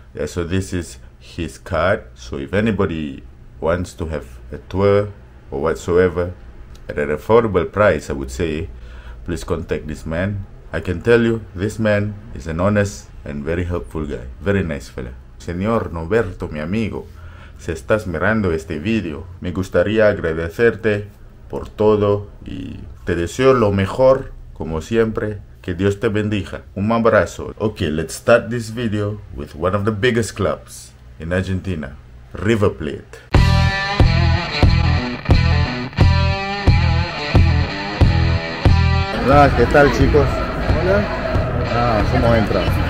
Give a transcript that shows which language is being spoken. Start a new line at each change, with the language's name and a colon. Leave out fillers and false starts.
English: Yeah, so this is his card. So if anybody wants to have a tour or whatsoever at an affordable price, I would say, please contact this man. I can tell you, this man is an honest and very helpful guy. Very nice fella.
Spanish: Señor Noberto, mi amigo. Si estás mirando este video, me gustaría agradecerte por todo y te deseo lo mejor, como siempre. Que Dios te bendiga. Un abrazo.
English: Okay, let's start this video with one of the biggest clubs in Argentina, River Plate.
Spanish: Hola, ¿qué tal, chicos? Hola. Ah, ¿cómo entra?